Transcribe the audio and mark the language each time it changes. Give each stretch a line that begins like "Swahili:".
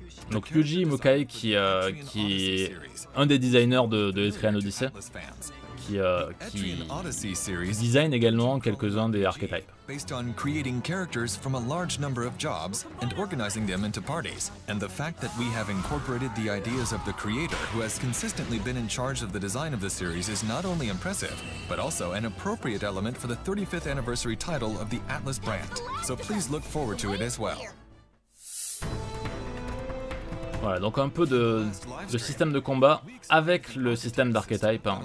French: Donc Yuji Himukai qui est un des designers de Etrian Odyssey, qui design également quelques-uns des archétypes.
English: Based on creating characters from a large number of jobs and organizing them into parties, and the fact that we have incorporated the ideas of the creator who has consistently been in charge of the design of the series is not only impressive, but also an appropriate element for the 35th anniversary title of the Atlas brand. So please look forward to it as well.
French: Voilà, donc un peu de système de combat avec le système d'archétype. Hein.